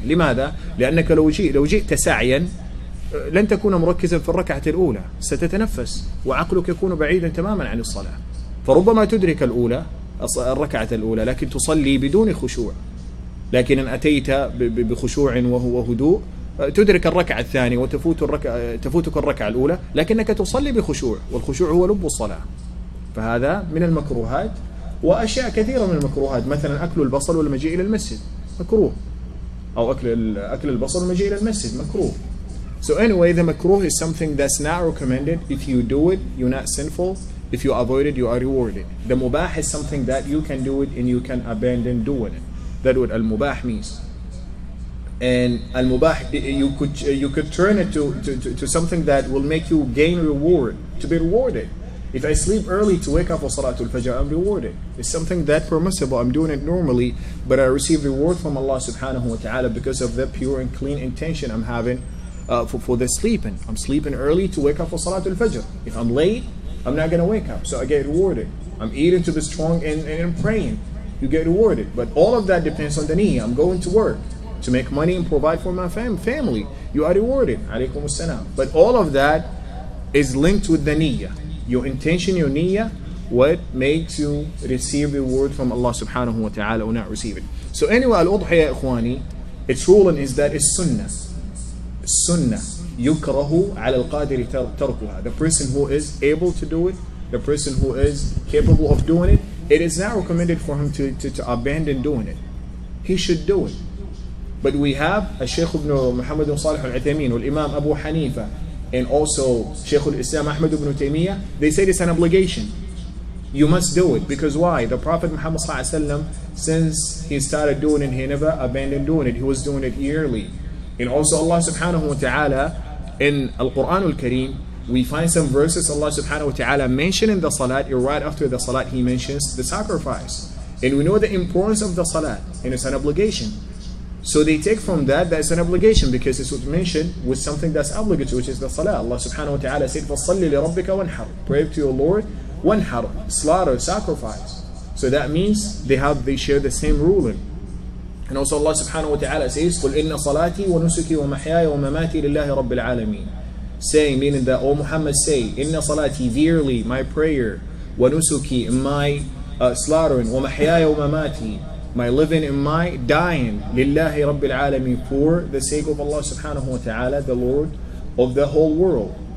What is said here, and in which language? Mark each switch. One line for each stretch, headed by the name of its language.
Arabic: لماذا؟ لأنك لو جئت ساعيا لن تكون مركزا في الركعة الأولى، ستتنفس وعقلك يكون بعيدا تماما عن الصلاة، فربما تدرك الركعة الأولى لكن تصلي بدون خشوع، لكن إن أتيت بخشوع وهدوء تدرك الركعة الثانية وتفوتك الركعة الأولى، لكنك تصلي بخشوع، والخشوع هو لب الصلاة. فهذا من المكروهات، وأشياء كثيرة من المكروهات، مثلا أكل البصل والمجيء إلى المسجد مكروه، أو أكل البصل والمجيء إلى المسجد مكروه.
English: So anyway, the makruh is something that's not recommended. If you do it, you're not sinful. If you avoid it, you are rewarded. The mubah is something that you can do it and you can abandon doing it. That what al-mubah means. And al-mubah, you could turn it to something that will make you gain reward, to be rewarded. If I sleep early to wake up for salatul fajr, I'm rewarded. It's something that permissible, I'm doing it normally, but I receive reward from Allah subhanahu wa ta'ala because of the pure and clean intention I'm having. For the sleeping, I'm sleeping early to wake up for Salatul Fajr. If I'm late, I'm not going to wake up, so I get rewarded. I'm eating to be strong and I'm praying, you get rewarded. But all of that depends on the knee. I'm going to work to make money and provide for my family, you are rewarded. Alaykum as-salam. But all of that is linked with the niyyah, your intention, your niyyah, what makes you receive reward from Allah subhanahu wa ta'ala or not receive it. So anyway, al-udhiya, ikhwani, its ruling is that it's sunnah.
Arabic: سنة يكره على القادر تركها.
English: The person who is able to do it, the person who is capable of doing it, it is not recommended for him to abandon doing it. He should do it. But we have a Sheikh ibn Muhammad ibn Salih al-Uthaymeen, and Imam Abu Hanifa, and also Sheikh al-Islam Ahmad ibn Taymiyyah, they say it's an obligation. You must do it. Because why? The Prophet Muhammad sallallahu alayhi wa sallam, since he started doing it, he never abandoned doing it. He was doing it yearly. And also Allah subhanahu wa ta'ala in Al-Quran Al-Kareem, we find some verses Allah subhanahu wa ta'ala mentioning the salat, and right after the salat he mentions the sacrifice. And we know the importance of the salat, and it's an obligation. So they take from that it's an obligation, because it's mentioned with something that's obligatory, which is the salat. Allah subhanahu wa ta'ala said,
Arabic: فَصَلِّ لِرَبِّكَ وَانْحَرْ.
English: Pray to your Lord,
Arabic: وَانْحَرْ.
English: Slaughter, sacrifice. So that means they share the same ruling. And also Allah subhanahu wa ta'ala says,
Arabic: قُلْ إِنَّ صَلَاتِي وَنُسُكِي وَمَحْيَايَ وَمَمَاتِي لِلَّهِ رَبِّ الْعَالَمِينَ.
English: Saying, meaning that, O Muhammad, say,
Arabic: إِنَّ صَلَاتِي,
English: verily, my prayer,
Arabic: وَنُسُكِي,
English: my slaughtering,
Arabic: وَمَحْيَايَ وَمَمَاتِي,
English: my living and my dying,
Arabic: لِلَّهِ رَبِّ الْعَالَمِينَ,
English: for the sake of Allah subhanahu wa ta'ala, the Lord of the whole world.